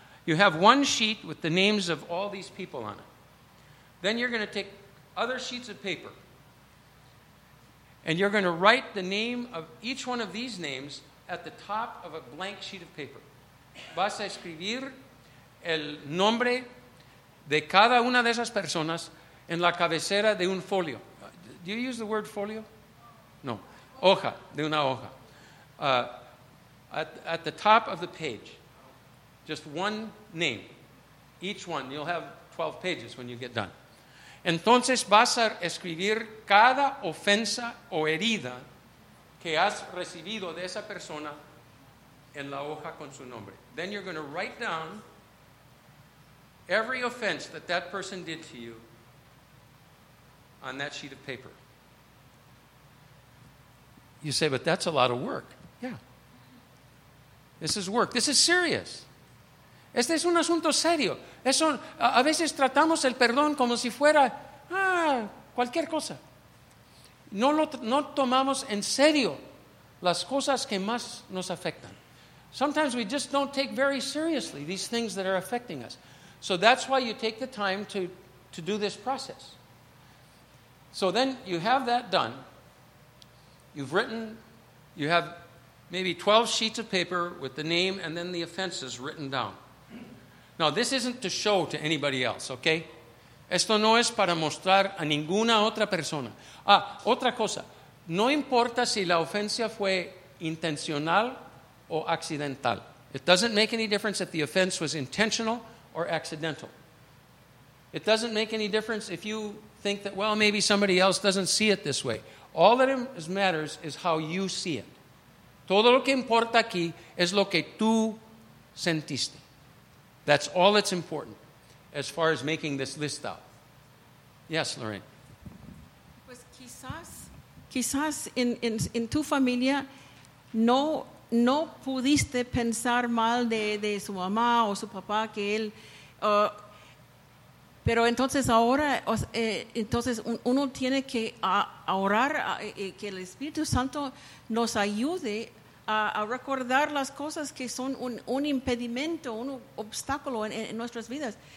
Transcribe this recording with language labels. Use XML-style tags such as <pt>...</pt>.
<en>You have one sheet with the names of all these people on it. Then you're going to take other sheets of paper, and you're going to write the name of each one of these names at the top of a blank sheet of paper.</en> <es>Vas a escribir el nombre de cada una de esas personas en la cabecera de un folio.</es> <en>Do you use the word folio? No.</en> <es>Hoja, de una hoja.</es> <en>At the top of the page, just one name. Each one. You'll have 12 pages when you get done.</en> <es>Entonces vas a escribir cada ofensa o herida que has recibido de esa persona en la hoja con su nombre.</es> <en>Then you're going to write down every offense that that person did to you on that sheet of paper. You say, but that's a lot of work. Yeah. This is work. This is serious.</en> <es>Este es un asunto serio. Eso, a veces tratamos el perdón como si fuera cualquier cosa. No tomamos en serio las cosas que más nos afectan.</es> <en>Sometimes we just don't take very seriously these things that are affecting us. So that's why you take the time to do this process. So then you have that done. You've written, you have maybe 12 sheets of paper with the name and then the offenses written down. Now, this isn't to show to anybody else, okay?</en> <es>Esto no es para mostrar a ninguna otra persona. Ah, otra cosa. No importa si la ofensa fue intencional o accidental.</es> <en>It doesn't make any difference if the offense was intentional or accidental. It doesn't make any difference if you think that, well, maybe somebody else doesn't see it this way. All that matters is how you see it.</en> <es>Todo lo que importa aquí es lo que tú sentiste.</es> <en>That's all that's important as far as making this list out. Yes, Lorraine.</en> <es>Pues quizás en tu familia no pudiste pensar mal de su mamá o su papá que él. Pero entonces ahora, entonces uno tiene que orar que el Espíritu Santo nos ayude a recordar las cosas que son un impedimento, un obstáculo en nuestras vidas.</es>